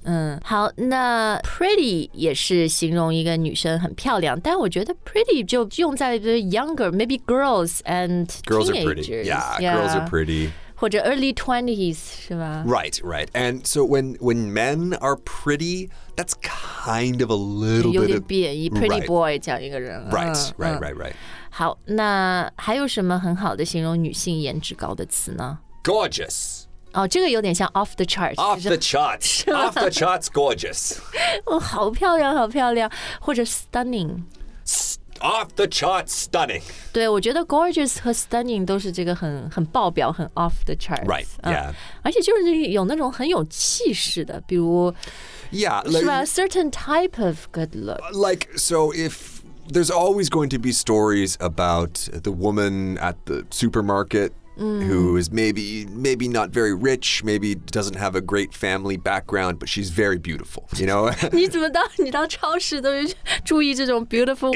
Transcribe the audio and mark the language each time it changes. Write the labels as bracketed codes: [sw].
[zh] Women, 好，那 pretty 也是形容一个女生很漂亮，但我觉得 pretty 就用在 [en] the younger, maybe girls and teenagers. Girls are pretty. Yeah, girls are pretty. [zh] 或者 early 20s, 是吧 [en] Right, right. And so when men are pretty, that's kind of a little bit of... [zh] 有点贬义 pretty boy 讲一个人。 [en] Right. [zh] 好，那还有什么很好的形容女性颜值高的词呢 [en] Gorgeous. [zh] 哦，这个有点像 [en] off the charts. Off the charts. Off the charts gorgeous. [zh] 好漂亮，好漂亮。或者 stunning. [en] Off the charts stunning. [zh] 对，我觉得 gorgeous 和 stunning 都是这个很爆表，很 [en] off the charts. Right, yeah. [zh] 而且就是有那种很有气势的，比如 [en] Yeah, like, [zh] 是吧 [en] a certain type of good look. Like, so if there's always going to be stories about the woman at the supermarket who is maybe not very rich, maybe doesn't have a great family background, but she's very beautiful, you know? [zh] 你怎么到你到超市都注意这种 beautiful woman?